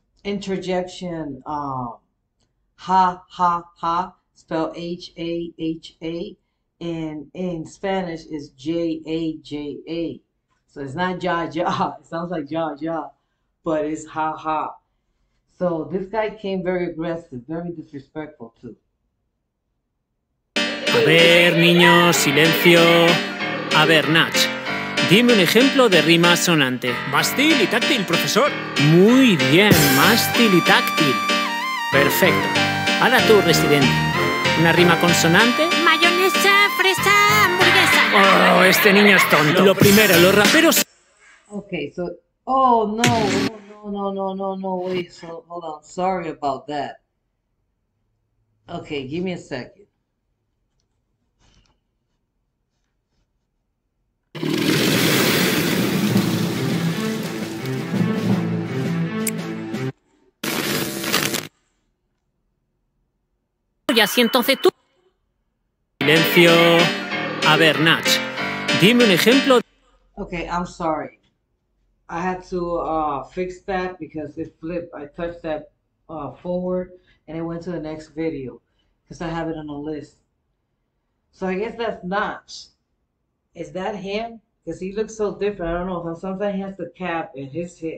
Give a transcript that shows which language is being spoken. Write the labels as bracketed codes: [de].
[en] interjection, ha ha ha, spell HAHA, and in Spanish is JAJA. So it's not ja ja, it sounds like ja, but it's ha ha. So this guy came very aggressive, very disrespectful too. [es] A ver, niños, silencio. A ver, Nach, dime un ejemplo de rima sonante. Mástil y táctil, profesor. Muy bien, mástil y táctil. Perfecto. Ahora tú, residente. ¿Una rima consonante? Mayonesa, fresa, hamburguesa. Oh, este niño es tonto. Lo primero, los raperos. [en] Okay, so. Oh, no. Oh, no. Wait, so hold on. Sorry about that. Okay, give me a second. [es] Y así entonces tú. Silencio. A ver, Nach, dime un ejemplo. [en] Okay, I'm sorry. I had to fix that because it flipped. I touched that forward and it went to the next video because I have it on a list. So I guess that's Notch. Is that him? Because he looks so different. I don't know. Sometimes he has the cap and his hair.